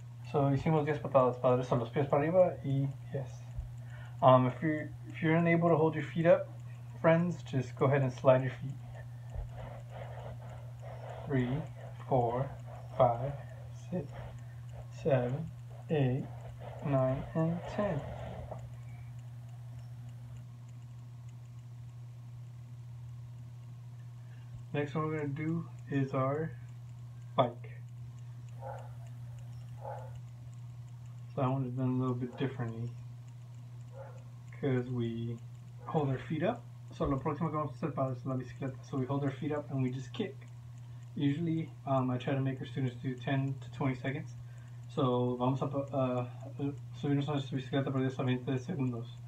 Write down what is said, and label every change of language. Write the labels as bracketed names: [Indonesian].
[Spanish] So, hicimos 10 patadas, padres, son los pies para arriba, y yes. [English] If you're unable to hold your feet up, friends, just go ahead and slide your feet. 3, 4, 5, 6, 7, 8, 9, and 10. Next one we're going to do is our bike. So I want it done a little bit differently because we hold our feet up. [Spanish] So lo próximo que vamos a hacer para es la bicicleta. [English] So we hold our feet up and we just kick. Usually I try to make our students do 10 to 20 seconds. [Spanish] So vamos a subirnos a nuestra bicicleta para 10 a 20 segundos.